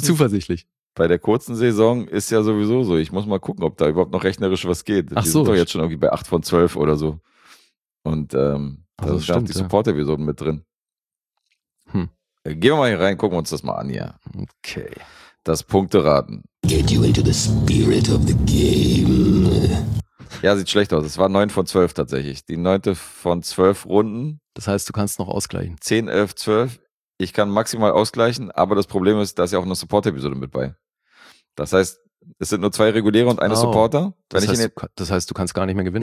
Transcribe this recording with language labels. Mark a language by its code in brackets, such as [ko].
[de] Bin zuversichtlich. bei der kurzen Saison ist ja sowieso so. Ich muss mal gucken, ob da überhaupt noch rechnerisch was geht. Ach die so, sind doch jetzt schon irgendwie bei 8 von 12 oder so. Und da sind auch die Support-Episoden mit drin. Gehen wir mal hier rein, gucken wir uns das mal an, ja. Okay. Das Punkteraten. [en] Get you into the spirit of the game. [de] Ja, sieht schlecht aus. Es war 9 von 12 tatsächlich. Die 9. von 12 Runden. Das heißt, du kannst noch ausgleichen. 10, 11, 12. Ich kann maximal ausgleichen, aber das Problem ist, da ist ja auch eine Supporter-Episode mit bei. Das heißt, es sind nur zwei reguläre und eine Supporter. Wenn das, du kannst gar nicht mehr gewinnen?